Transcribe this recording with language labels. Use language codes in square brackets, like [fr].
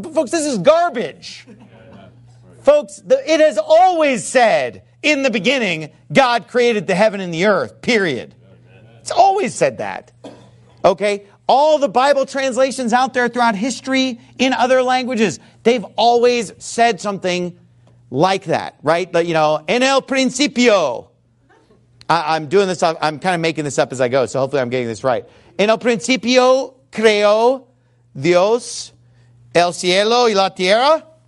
[en] But folks, this is garbage. Yeah, right. Folks, it has always said, in the beginning, God created the heaven and the earth, period. It's always said that. Okay? All the Bible translations out there throughout history in other languages, they've always said something like that, right? Like, you know, [es] en el principio. [en] I'm doing this, I'm kind of making this up as I go, so hopefully I'm getting this right. [es] En el principio creó Dios el cielo y la tierra.